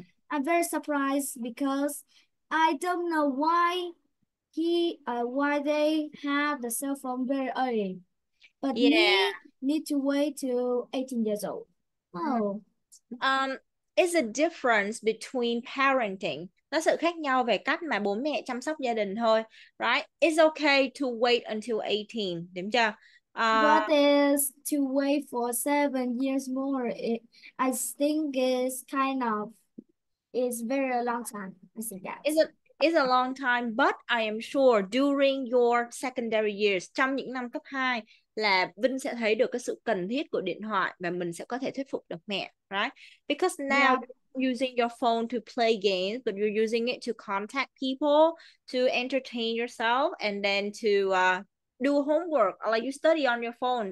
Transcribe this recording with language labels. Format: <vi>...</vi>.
<en>I'm very surprised because I don't know why they have the cell phone very early, but need to wait to 18 years old. It's a difference between parenting.</en> <vi>Nó sự khác nhau về cách mà bố mẹ chăm sóc gia đình thôi, right?</vi> <en>It's okay to wait until 18,</en> <vi>đúng chưa?</vi> <en>What is to wait for 7 years more? I think it's kind of, it's very long time, I think that. It's a long time, but I am sure during your secondary years,</en> <vi>trong những năm cấp 2, là Vinh sẽ thấy được cái sự cần thiết của điện thoại và mình sẽ có thể thuyết phục được mẹ, right?</vi> <en>Because now you're using your phone to play games, but you're using it to contact people, to entertain yourself, and then to do homework, or like you study on your phone.</en>